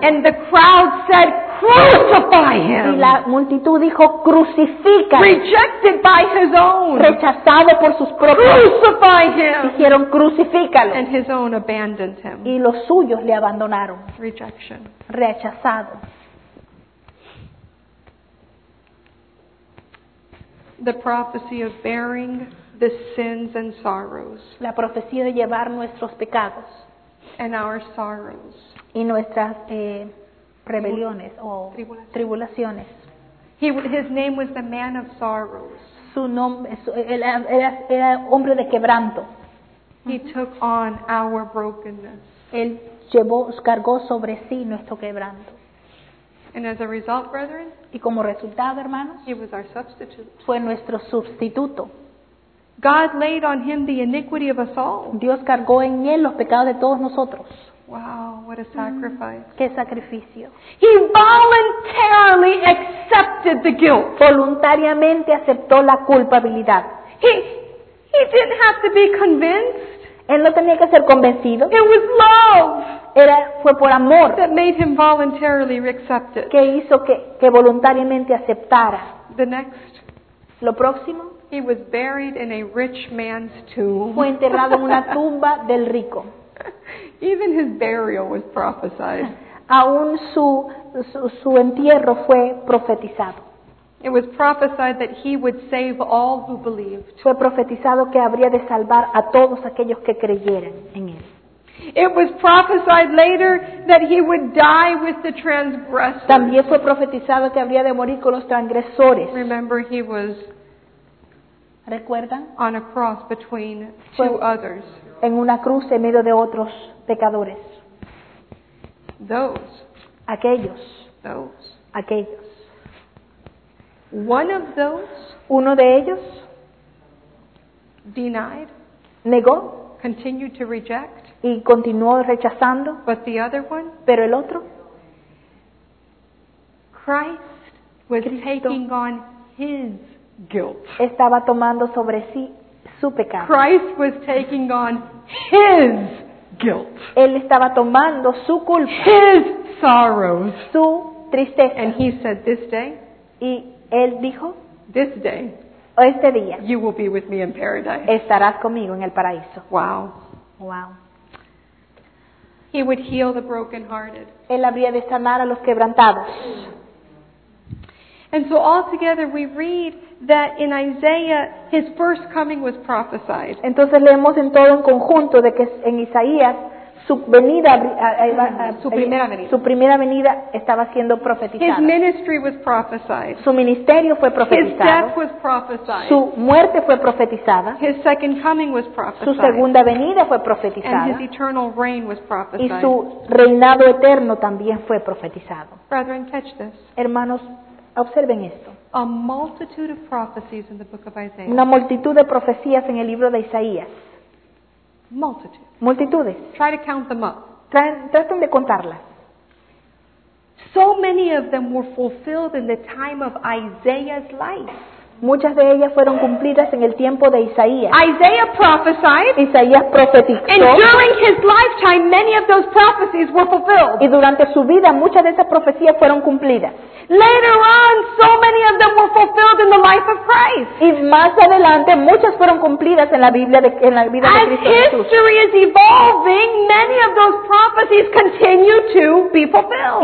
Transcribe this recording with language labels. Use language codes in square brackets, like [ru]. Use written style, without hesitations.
[en] And the crowd said, crucify him. [es] Y la multitud dijo, crucifícalo. [en] Rejected by his own. [es] Rechazado por sus propios. [en] Crucify him. [es] Dijeron, crucifícalo. [en] And his own abandoned him. [es] Y los suyos le abandonaron. [en] Rejection. [es] Rechazado. [en] The prophecy of bearing the sins and sorrows. [es] La profecía de llevar nuestros pecados. [en] And our sorrows. [es] Y nuestras rebeliones o tribulaciones. [en] His name was the man of sorrows. [es] Su nombre, era hombre de quebranto. [en] He took on our brokenness. [es] Él llevó, cargó sobre sí nuestro quebranto. [en] And as a result, brethren, [es] y como resultado, hermanos, [en] he was our substitute. [es] Fue nuestro sustituto. [en] God laid on him the iniquity of us all. [es] Dios cargó en él los pecados de todos nosotros. [en] Wow, what a sacrifice. [es] Qué sacrificio. [en] He voluntarily accepted the guilt. [es] Voluntariamente aceptó la culpabilidad. [en] He didn't have to be convinced. [es] Él no tenía que ser convencido. [en] It was love. [es] Era, fue por amor. [en] That made him voluntarily accept it. [es] Que hizo que voluntariamente aceptara. [en] The next. [es] Lo próximo. [en] He was buried in a rich man's tomb. [es] Fue enterrado en una tumba del rico. [en] Even his burial was prophesied. [es] Aún su entierro fue profetizado. [en] It was prophesied that he would save all who believed. [es] Fue profetizado que habría de salvar a todos aquellos que creyeran en él. [en] It was prophesied later that he would die with the transgressors. [es] También fue profetizado que habría de morir con los transgresores. [en] Remember, he was on a cross between two others. [es] En una cruz en medio de otros pecadores. [en] Those. [es] Aquellos. [en] Those. [es] Aquellos. [en] One of those, [es] uno de ellos, [en] denied, [es] negó, [en] continued to reject, [es] y continuó rechazando, [en] but the other one, [es] pero el otro, [en] Christ was taking on his guilt. [es] Estaba tomando sobre sí su pecado. [en] Christ was taking on his guilt. [es] Él estaba tomando su culpa. [en] His sorrows. [es] Su tristeza. [en] And he said this day, [es] y Él dijo, [en] this day, [es] este día, [en] you will be with me in paradise. [es] Estarás conmigo en el paraíso. [en] Wow. [es] Wow. [en] He would heal the brokenhearted. [es] Él habría de sanar a los quebrantados. [en] And so altogether we read that in Isaiah his first coming was prophesied. [es] Entonces leemos en todo un conjunto de que en Isaías su venida, su primera venida estaba siendo profetizada. [en] His ministry was prophesied. [es] Su ministerio fue profetizado. [en] His death was prophesied. [es] Su muerte fue profetizada. [en] His second coming was prophesied. [es] Su segunda venida fue profetizada. [en] And his eternal reign was prophesied. [es] Y su reinado eterno también fue profetizado. [en] Brethren, catch this. [es] Hermanos, observen esto. [en] A multitude of prophecies in the book of Isaiah. [es] Una multitud de profecías en el libro de Isaías. [en] Multitudes. Try to count them up. [es] Traten de contarlas. [en] So many of them were fulfilled in the time of Isaiah's life. [es] Muchas de ellas fueron cumplidas en el tiempo de Isaías. [en] Isaiah prophesied. [es] Isaías profetizó. [en] And during his lifetime, many of those prophecies were fulfilled. [es] Y durante su vida, muchas de esas profecías fueron cumplidas. [en] Later on, so many of them were fulfilled in the life of Christ. [es] Y más adelante, muchas fueron cumplidas en la Biblia de, en la vida de Cristo Jesús. [en] As history is evolving, many of those prophecies continue to be fulfilled.